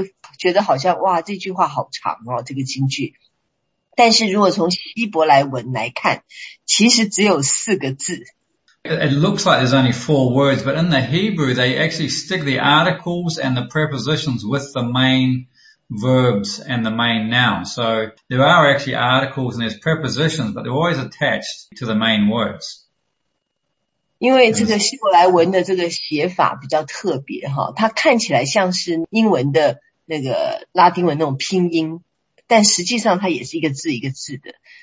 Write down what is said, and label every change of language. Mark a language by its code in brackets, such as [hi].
[zh] 如果从中文看的话，会觉得好像哇，这句话好长哦，这个经句。但是如果从希伯来文来看，其实只有四个字。 [en] It looks like there's only four words, but in the Hebrew, they actually stick the articles and the prepositions with the main verbs and the main noun. So there are actually articles and there's prepositions, but they're always attached to the main words. [zh] 因为这个希伯来文的这个写法比较特别，它看起来像是英文的那个拉丁文那种拼音，但实际上它也是一个字一个字的。